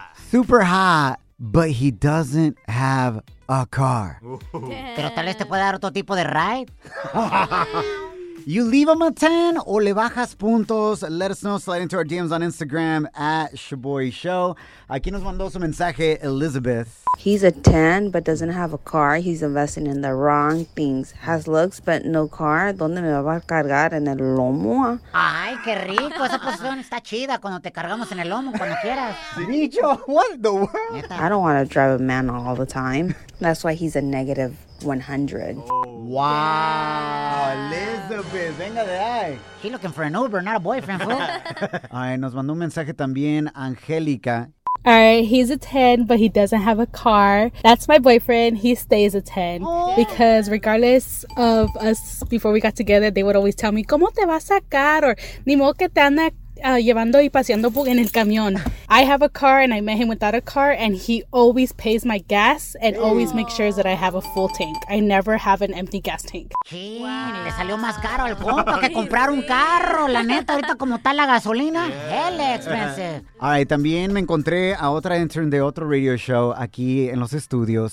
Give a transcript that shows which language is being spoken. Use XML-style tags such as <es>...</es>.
<en>Super hot, but he doesn't have a car.</en> <es>Pero tal vez te puede dar otro tipo de ride.</es> <en>You leave him a 10</en> <es>o le bajas puntos.</es> <en>Let us know. Slide into our DMs on Instagram at Shaboy Show.</en> <es>Aquí nos mandó su mensaje Elizabeth.</es> <en>He's a 10 but doesn't have a car. He's investing in the wrong things. Has looks but no car.</en> <es>¿Dónde me va a cargar? En el lomo. Ay, qué rico. Esa posición está chida cuando te cargamos en el lomo cuando quieras.</es> <en>Dicho, what the world? I don't want to drive a man all the time. That's why he's a negative 100.</en> <es>Oh, wow. Elizabeth, venga de ahí.</es> <en>She looking for an Uber, not a boyfriend, fool.</en> <es>Ay, nos mandó un mensaje también Angélica.</es> <en>All right, he's a 10, but he doesn't have a car. That's my boyfriend. He stays a 10. Oh. Because regardless of us, before we got together, they would always tell me,</en> <es>¿cómo te vas a sacar? Or, ni modo que te anda llevando y paseando en el camión.</es> <en>I have a car and I met him without a car and he always pays my gas and always makes sure that I have a full tank. I never have an empty gas tank.</en> <es>Sí, wow. Le salió más caro al compa que comprar un carro. La neta, ahorita como está la gasolina,</es> <en>hell expensive.</en> <es>Ay, también me encontré a otra intern de otro radio show aquí en los estudios.</es>